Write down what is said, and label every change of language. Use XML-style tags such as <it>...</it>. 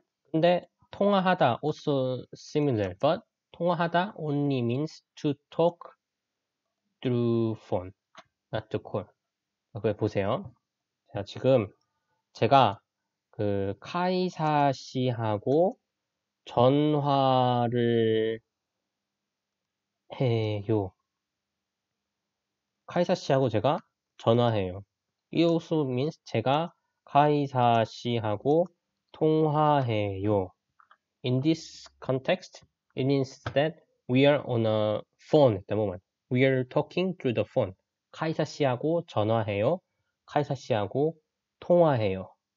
<en>근데 통화하다 also similar, but 통화하다 only means to talk through phone, not to call.</en> <ko>그래 보세요. 자, 지금 제가 카이사 씨하고 전화를 해요. 카이사 씨하고 제가 전화해요.</ko> <en>It also means</en> <ko>제가 카이사 씨하고 통화해요.</ko> <en>In this context, it means that we are on a phone at the moment. We are talking through the phone.</en> <ko>카이사 씨하고 전화해요. 카이사 씨하고 통화해요.</ko>